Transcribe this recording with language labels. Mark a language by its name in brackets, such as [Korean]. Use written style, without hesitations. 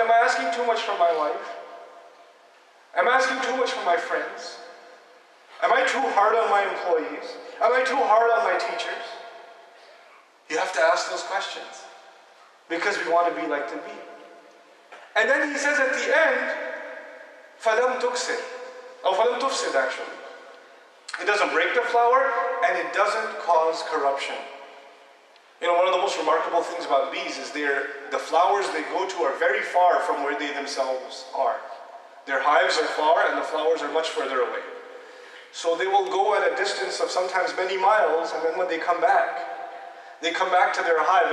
[English] Am I asking too much from my wife? Am I asking too much from my friends? Am I too hard on my employees? Am I too hard on my teachers? You have to ask those questions because we want to be like the bee. And then he says at the end, [Arabic] فلم تكسر أو فلم تفسد actually. [English] It doesn't break the flower and it doesn't cause corruption. You know, one of the most remarkable things about bees is the flowers they go to are very far from where they themselves are. Their hives are far and the flowers are much further away. So they will go at a distance of sometimes many miles, and then when they come back to their hive.